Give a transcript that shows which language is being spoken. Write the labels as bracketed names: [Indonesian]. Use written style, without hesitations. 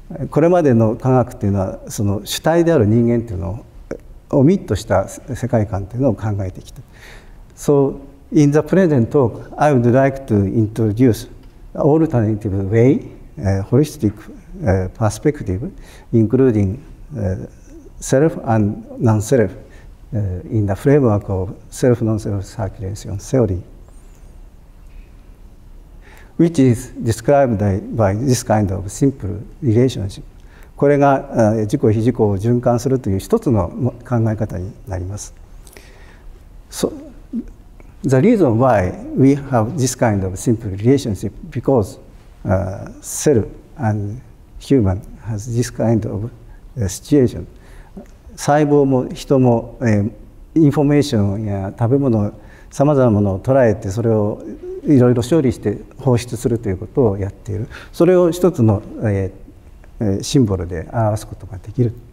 [Japanese] これまでの科学っていうのは、その主体である人間っていうのをオミットした世界観っていうのを考えてきた。 [English] So in the present talk I would like to introduce alternative way holistic perspective including self and non-self in the framework of self-non-self circulation theoryWhich is described by this kind of simple relationship。 [Japanese] これが自己非自己を循環するという一つの考え方になります。 [English] So, the reason why we have this kind of simple relationship because cell and human has this kind of situation。 [Japanese] 細胞も人もインフォメーションや食べ物、さまざまなものを捉えて、それをいろいろ処理して放出するということをやっている。それを一つのシンボルで表すことができる。